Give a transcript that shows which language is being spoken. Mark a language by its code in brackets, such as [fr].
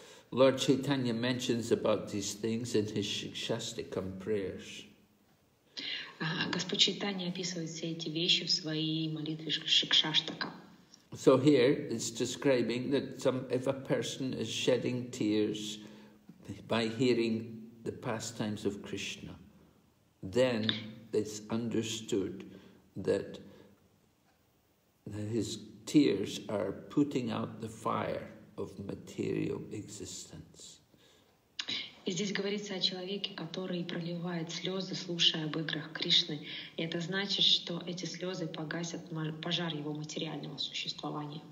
[en] Lord Chaitanya mentions about these things in his Shikshastikam prayers. [ru] Господь Чайтанья описывает все эти вещи в своей молитве Шикшаштака. [en] So here it's describing that if a person is shedding tears by hearing the pastimes of Krishna, then it's understood that his tears are putting out the fire of material existence. [ru] И здесь говорится о человеке, который проливает слезы, слушая об играх Кришны. И это значит, что эти слезы погасят пожар его материального существования.